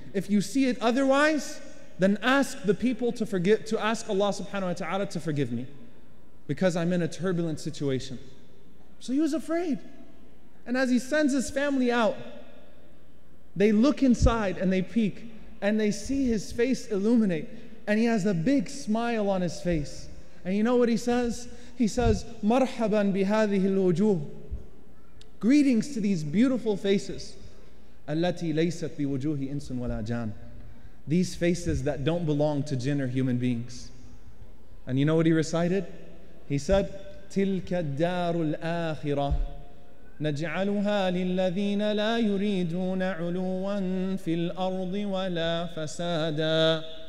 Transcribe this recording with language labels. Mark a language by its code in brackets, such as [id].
[en] If you see it otherwise, then ask the people to forgive, to ask Allah subhanahu wa ta'ala to forgive me, because I'm in a turbulent situation. So he was afraid. And as he sends his family out, they look inside and they peek, and they see his face illuminate. And he has a big smile on his face. And you know what he says? He says, [ar] مَرْحَبًا بِهَذِهِ الْوُجُوهِ. [en] Greetings to these beautiful faces. [ar] أَلَّتِي لَيْسَتْ بِوُجُوهِ إِنْسٌ وَلَا جَانٌ. [en] These faces that don't belong to jinn or human beings. And you know what he recited? He said, [ar] تِلْكَ الدَّارُ الْآخِرَةِ نَجْعَلُهَا لِلَّذِينَ لَا يُرِيدُونَ عُلُوًا فِي الْأَرْضِ وَلَا فَسَادًا.